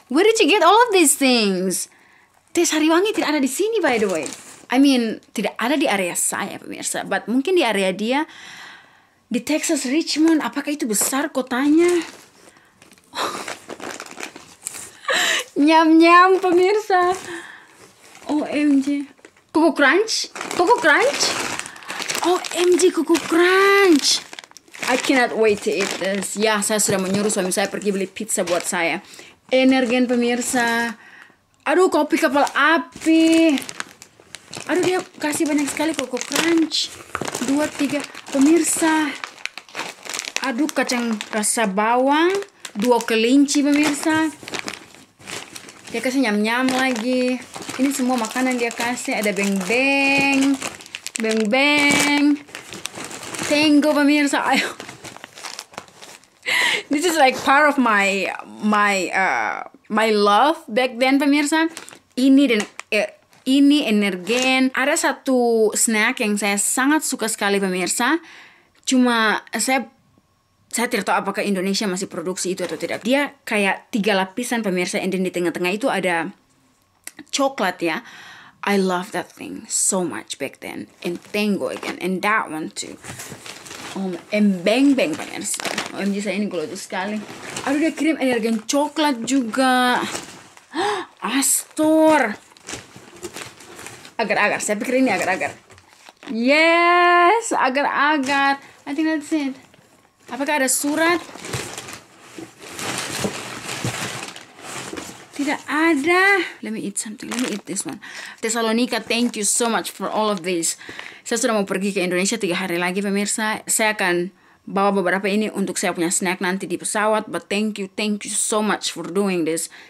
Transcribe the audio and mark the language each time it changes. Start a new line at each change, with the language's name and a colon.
English: Where did you get all of these things?
Indonesian: Teh sariwangi tidak ada di sini, by the way. I mean, tidak ada di area saya, pemirsa. But mungkin di area dia, di Texas, Richmond. Apakah itu besar kotanya? Nyam-nyam, pemirsa. OMG. Kuku crunch? Kuku crunch?
English: OMG, kuku crunch. I cannot wait to eat this.
Indonesian: Ya, saya sudah menyuruh suami saya pergi beli pizza buat saya. Energen, pemirsa. Aduh, kopi kapal api. Aduh, dia kasih banyak sekali koko crunch. 2, 3. Pemirsa. Aduh, kacang rasa bawang. 2 kelinci, pemirsa. Dia kasih nyam-nyam lagi. Ini semua makanan dia kasih. Ada beng-beng. Beng-beng. Tango, pemirsa.
English: This is like part of my love back then, pemirsa.
Indonesian: Ini dan... ini energen. Ada satu snack yang saya sangat suka sekali, pemirsa. Cuma saya tidak tahu apakah Indonesia masih produksi itu atau tidak. Dia kayak 3 lapisan, pemirsa. And then di tengah-tengah itu ada coklat, ya.
English: I love that thing so much back then. And tango again. And that one too. And beng-beng, pemirsa.
Indonesian: OMG, saya ini gelojo sekali. Aduh, dia kirim energen coklat juga. Astor. Agar-agar, saya pikir ini agar-agar. Yes, agar-agar.
English: I think that's it.
Indonesian: Apakah ada surat? Tidak ada.
English: Let me eat something, let me eat this one. Thessalonica, thank you so much for all of this.
Indonesian: Saya sudah mau pergi ke Indonesia 3 hari lagi, pemirsa. Saya akan bawa beberapa ini untuk saya punya snack nanti di pesawat.
English: But thank you so much for doing this.